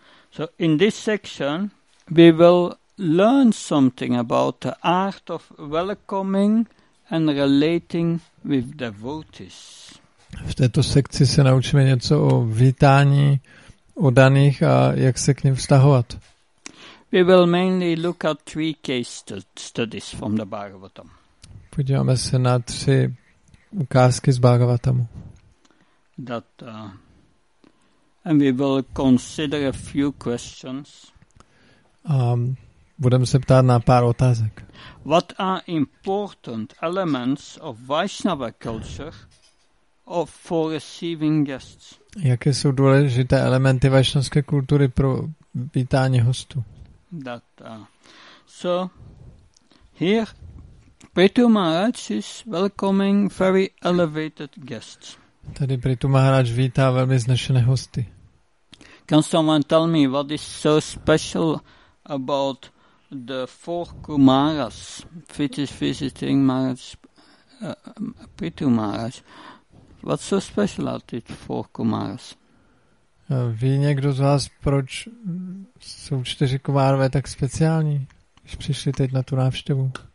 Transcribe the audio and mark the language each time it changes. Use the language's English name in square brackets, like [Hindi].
[English] So in this section we will learn something about the art of welcoming and relating with devotees. [Czech] V této sekci se naučíme něco o vítání oddaných a jak se k ním vztahovat. [English] We will mainly look at 3 case studies from the Bhagavatam. [Czech] Podíváme se na 3 ukázky z Bhagavatamu. [English] And we will consider a few questions. [Czech] Budeme se ptát na pár otázek. [English] What are important elements of Vaishnava culture of for receiving guests? [Czech] Jaké jsou důležité elementy vaishnavské kultury pro vítání hostů? [English] So here Prithu Maharaj is welcoming very elevated guests. [Czech] Tady Prithu Maharaj vítá velmi vznešené hosty. [English] Can someone tell me what is so special about the 4 kumaras which is visiting Prithu Maharaj? What's so special about it, 4 kumaras? [Czech] Ví někdo z vás, proč jsou 4 kumárové tak speciální, když přišli teď na tu návštěvu?